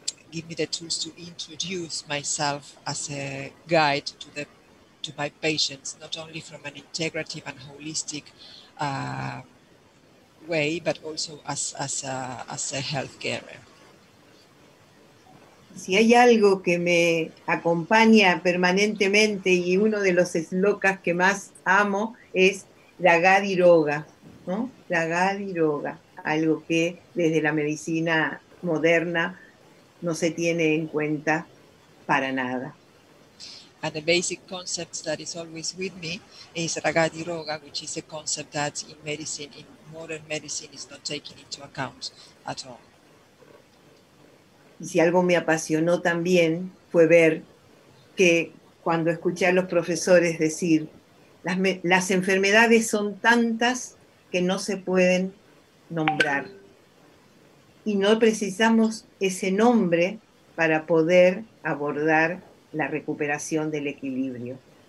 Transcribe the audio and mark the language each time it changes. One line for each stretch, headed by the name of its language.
English: Give me the tools to introduce myself as a guide to the to my patients, not only from an integrative and holistic way, but also as a health carer.
Spanish: Si hay algo que me acompaña permanentemente y uno de los eslocas que más amo es la gadiroga, ¿no? La gadiroga, algo que desde la medicina moderna no se tiene en cuenta para nada.
English: And the basic concept that is always with me is Ragadi Roga, which is a concept that in medicine, in modern medicine, is not taken into account at all.
Spanish: Y si algo me apasionó también fue ver que cuando escuché a los profesores decir las enfermedades son tantas que no se pueden nombrar. Y no precisamos ese nombre para poder abordar la recuperación del equilibrio.